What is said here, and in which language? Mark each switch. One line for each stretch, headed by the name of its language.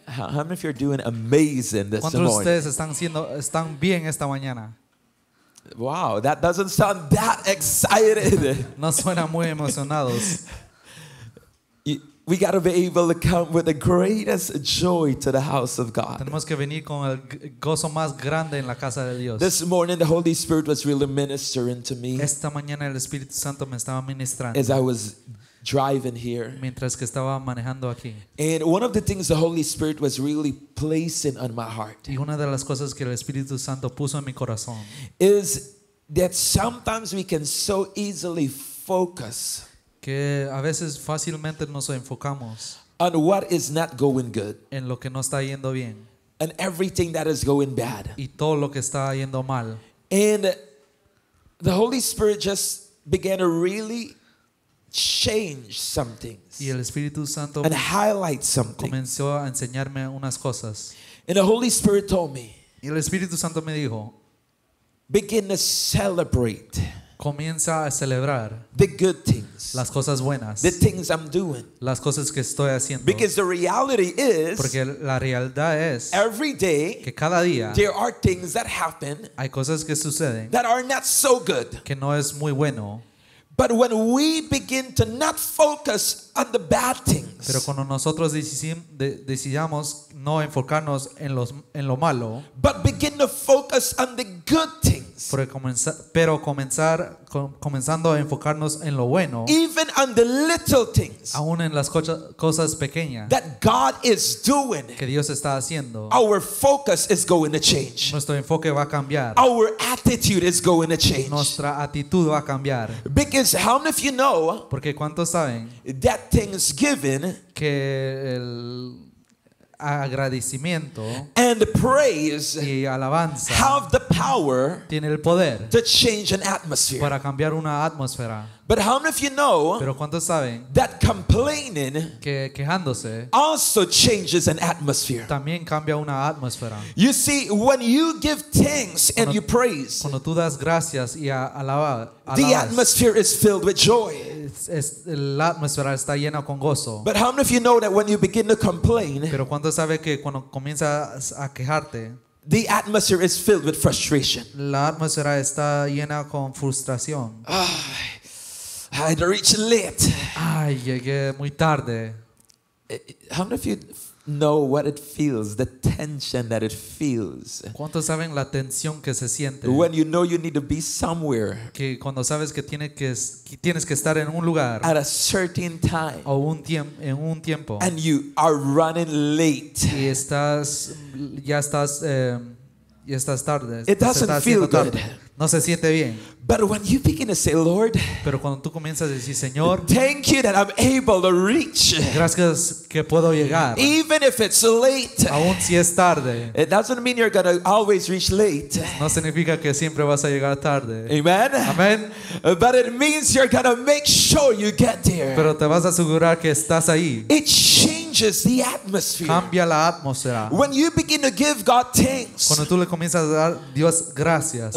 English: How many of you are doing amazing this morning?
Spanish: ¿Cuántos ustedes están bien esta mañana?
English: Wow, that doesn't sound that excited.
Spanish: No suena muy emocionados.
English: We gotta be able to come with the greatest joy to the house of God.
Spanish: Tenemos que venir con el gozo más grande en la casa de Dios.
English: This morning, the Holy Spirit was really ministering to me.
Spanish: Esta mañana el Espíritu Santo me estaba ministrando.
English: As I was driving here.
Spanish: Mientras que estaba manejando aquí.
English: And one of the things the Holy Spirit was really placing on my heart.
Spanish: Y una de las cosas que el Espíritu Santo puso en mi corazón.
English: Is that sometimes we can so easily focus.
Spanish: Que a veces fácilmente nos enfocamos
English: on what is not going good,
Spanish: en lo que no está yendo bien,
English: and everything that is going bad,
Spanish: y todo lo que está yendo mal.
English: And the Holy Spirit just began to really change some things,
Spanish: y el Espíritu Santo
English: and highlight something.
Spanish: Comenzó a enseñarme unas cosas.
English: And the Holy Spirit told me,
Spanish: y el Espíritu Santo me dijo,
English: begin to celebrate.
Spanish: Comienza a celebrar
English: the good things,
Spanish: las cosas buenas,
English: the things I'm doing,
Spanish: las cosas que estoy haciendo.
English: Because the reality is,
Spanish: porque la realidad es,
English: every day,
Spanish: que cada día,
English: there are things that happen,
Spanish: hay cosas que suceden,
English: that are not so good,
Spanish: que no es muy bueno.
English: But when we begin to not focus on the bad things,
Spanish: pero cuando nosotros decidamos no enfocarnos en lo malo,
English: but begin to focus on the good things,
Spanish: comenzando a enfocarnos en lo bueno,
English: even on the little things,
Spanish: aún en las cosas pequeñas,
English: that God is doing,
Spanish: que Dios está haciendo,
English: our focus is going to change,
Spanish: nuestro enfoque va a cambiar,
English: our attitude is going to change,
Spanish: nuestra actitud va a cambiar.
English: Because how many of you know,
Spanish: porque cuántos saben,
English: that thanksgiving,
Spanish: que el agradecimiento,
English: and praise,
Spanish: y alabanza,
English: have the power,
Spanish: tiene el poder,
English: to change an atmosphere,
Spanish: para cambiar una atmósfera.
English: But how many of you know,
Spanish: pero cuántos saben,
English: that complaining,
Spanish: quejándose,
English: also changes an atmosphere,
Spanish: también cambia una atmósfera.
English: You see, when you give thanks and you praise,
Spanish: cuando tú das gracias y alabas,
English: the atmosphere is filled with joy.
Spanish: La atmósfera está llena con gozo.
English: But how many of you know that when you begin to complain,
Spanish: pero cuántos saben que cuando comienzas a quejarte,
English: the atmosphere is filled with frustration.
Spanish: La atmósfera está llena con frustración.
English: I reached late.
Spanish: Ay, llegué muy tarde.
English: How many of you know what it feels, the tension that it feels?
Spanish: ¿Cuántos saben la tensión que se siente?
English: When you know you need to be somewhere.
Spanish: Que cuando sabes que tienes que estar en un lugar.
English: At a certain time.
Spanish: O en un tiempo.
English: And you are running late.
Spanish: Y ya estás tarde.
English: It doesn't feel good.
Spanish: No se siente bien.
English: But when you begin to say, Lord,
Spanish: pero cuando tú comienzas a decir, Señor,
English: thank you that I'm able to reach,
Spanish: gracias que puedo llegar,
English: even if it's late,
Spanish: aun si es tarde,
English: it doesn't mean you're going to always reach late.
Spanish: No significa que siempre vas a llegar tarde.
English: Amen.
Spanish: Amen.
English: But it means you're going to make sure you get there.
Spanish: Pero te vas a asegurar que estás ahí.
English: It changes the atmosphere.
Spanish: Cambia la atmósfera.
English: When you begin to give God thanks,
Spanish: cuando tú le comienzas a dar Dios gracias,